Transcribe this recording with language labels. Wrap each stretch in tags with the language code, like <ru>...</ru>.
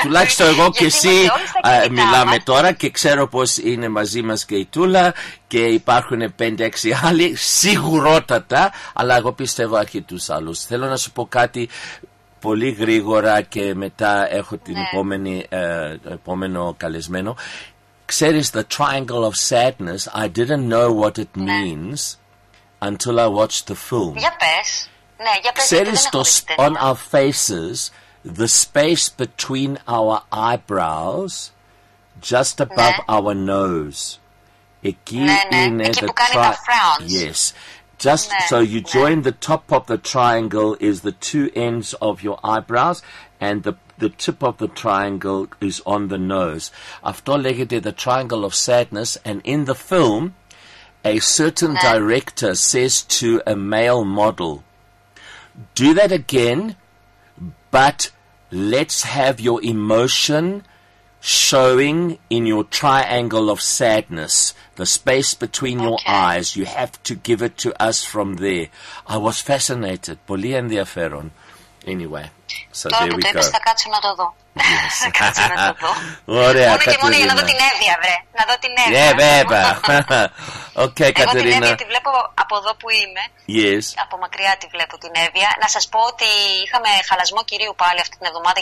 <el>Τουλάχιστον εγώ και εσύ μιλάμε τώρα και ξέρω πως είναι μαζί μας και η Τούλα και υπάρχουν 5-6 άλλοι σιγουρότατα, αλλά εγώ πιστεύω αρχή τους άλλους. Θέλω να σου πω κάτι πολύ γρήγορα και μετά έχω την επόμενο καλεσμένο. Ξέρεις,</el> <en>the triangle of sadness, I didn't know what it means until I watched the film.</en> <el>Για πες. Ναι, για πες. Ξέρεις,</el> <en>on our faces, the space between our eyebrows, just above our nose.</en> <el>Εκεί είναι εκεί που κάνει τα frowns.</el> <en>Yes. Just so you join the top of the triangle is the two ends of your eyebrows, and the the tip of the triangle is on the nose.</en> <el>Αυτό λέγεται</el> <en>the triangle of sadness, and in the film, a certain director says to a male model, do that again, but let's have your emotion showing in your triangle of sadness, the space between your eyes. You have to give it to us from there. I was fascinated.</en> <el>Πολύ ενδιαφέρον.</el> <en>Anyway, so</en> <el>τώρα</el> <en>there we</en> <el>το Τώρα που το είπες θα κάτσω να το δω.</el> <en>Yes.</en> <el>Ωραία, μόνο Κατερίνα. Και μόνο για να δω την Εύβοια, βρε. Να δω την Εύβοια. Ναι, βέβαια. Οκ, Κατερίνα. Εγώ την Εύβοια τη βλέπω από εδώ που είμαι.</el> <en>Yes.</en> <el>Από μακριά τη βλέπω την Εύβοια. Να σας πω ότι είχαμε χαλασμό κυρίου πάλι αυτή την εβδομάδα.</el>